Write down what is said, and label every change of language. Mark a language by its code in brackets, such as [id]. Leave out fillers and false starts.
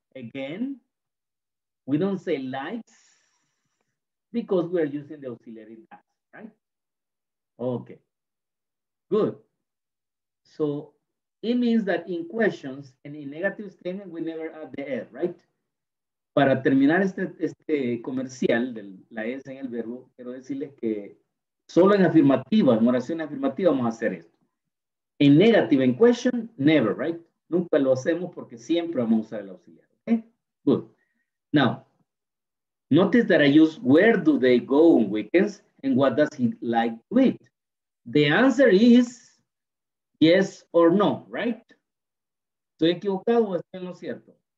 [en] Again, we don't say likes, because we are using the auxiliary that, right? Okay, good. So it means that in questions and in negative statement, we never add the S, right? [es] Para terminar este comercial de la S en el verbo, quiero decirles que solo en afirmativa, en oración afirmativa, vamos a hacer esto. En negative, en question, never, right? Nunca lo hacemos porque siempre vamos a usar el auxiliar, okay? [en] Good. Now, notice that I use where do they go on weekends and what does he like to eat? The answer is yes or no, right? [es] ¿Estoy equivocado o estoy en lo cierto?